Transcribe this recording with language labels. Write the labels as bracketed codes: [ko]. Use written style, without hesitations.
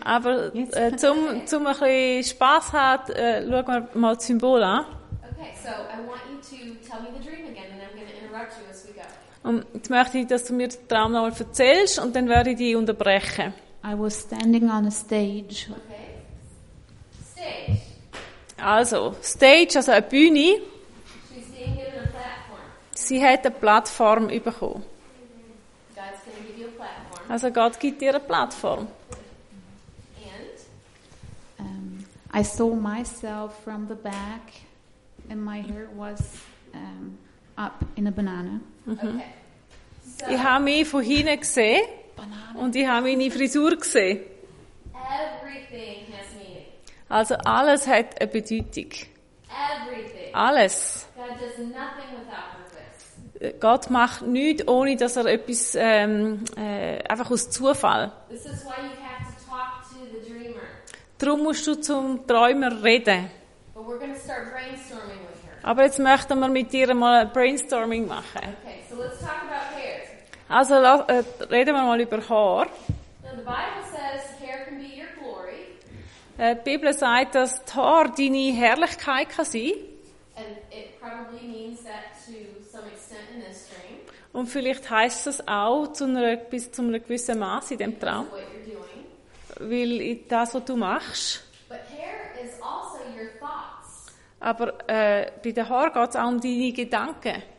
[de] Aber zum ein bisschen Spass hat, schauen wir mal das Symbol an. [en] Okay, so I want you to tell me the dream again and I'm going to interrupt you as we go. [de] Und jetzt möchte ich, dass du mir den Traum nochmal erzählst und dann werde ich dich unterbrechen. [en] I was standing on a stage. Okay. Stage. [de] Also, Stage, also eine Bühne. [en] She's being given a platform. [de] Sie hat eine Plattform bekommen. [en] God's going to give you a platform. [de] Also Gott gibt dir eine Plattform. [en] I saw myself from the back and my hair was up in a banana. Okay. [de] So, ich habe mich von hinten gesehen und ich habe meine Frisur gesehen. [en] Everything has meaning. [de] Also alles hat eine Bedeutung. [en] Everything. [de] Alles. [en] God does nothing without purpose. [de] Gott macht nichts, ohne dass er etwas einfach aus Zufall. [en] This is why you have to talk to the dreamer. [de] Darum musst du zum Träumer reden. [en] But we're gonna start brainstorming with her. [de] Aber jetzt möchten wir mit dir mal ein Brainstorming machen. [en] Okay, so let's talk about hair. [de] Also reden wir mal über Haar. [en] The Bible says hair can be your glory. [de] Die Bibel sagt, dass die Haar deine Herrlichkeit kann sein. [en] And it probably means that to some extent in this dream. [de] Und vielleicht heisst es auch bis zu einer gewissen Masse in dem Traum. Weil das, was du machst. [en] But hair is also your thoughts. [de] Aber bei den Haaren geht es auch um deine Gedanken.